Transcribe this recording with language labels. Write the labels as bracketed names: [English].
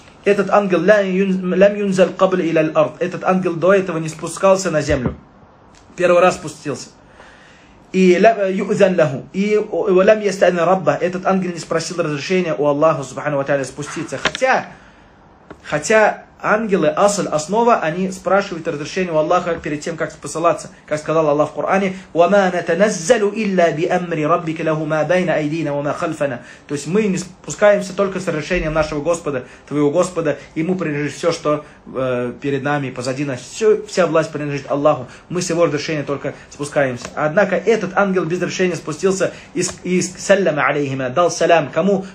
[Russian] Этот ангел, [Arabic] «Лам юнзаль кабль иля л-арт». [Russian] Этот ангел до этого не спускался на землю. Первый раз спустился. [Arabic] И «Юзан лаху». И «Лам ястайна рабба». [Russian] Этот ангел не спросил разрешения у Аллаха, субхану ва та'аля, спуститься. Хотя ангелы, асль, основа, они спрашивают разрешение у Аллаха перед тем, как посылаться. Как сказал Аллах в Коране, [Arabic] وَمَا نَتَنَزَّلُ إِلَّا بِأَمْرِ رَبِّكَ لَهُ مَا بَيْنَ أَيْدِينَ وَمَا خَلْفَنَا. [Russian] То есть мы не спускаемся только с разрешением нашего Господа, твоего Господа, и мы принадлежим все, что перед нами и позади нас. Все, вся власть принадлежит Аллаху. Мы с его разрешения только спускаемся. Однако этот ангел без разрешения спустился и [Arabic] саляма алейхима, [Russian] дал салям. Кому?